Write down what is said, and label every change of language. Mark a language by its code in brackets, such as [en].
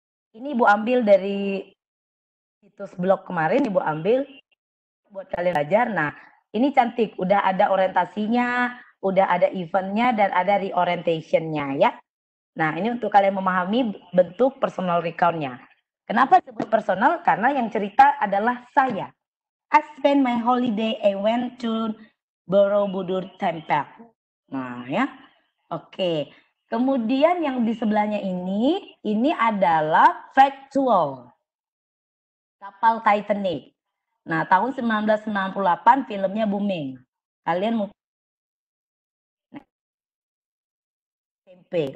[id] Ini ibu ambil dari situs blog kemarin, ibu ambil buat kalian belajar. Nah ini cantik, udah ada orientasinya. Udah ada eventnya dan ada reorientation-nya ya. Nah ini untuk kalian memahami bentuk personal recount-nya. Kenapa disebut personal? Karena yang cerita adalah saya. [en] I spent my holiday and went to Borobudur Temple. [id] Nah ya. Oke. Kemudian yang di sebelahnya ini adalah factual. Kapal Titanic. Nah tahun 1998 filmnya booming. Kalian mungkin SMP.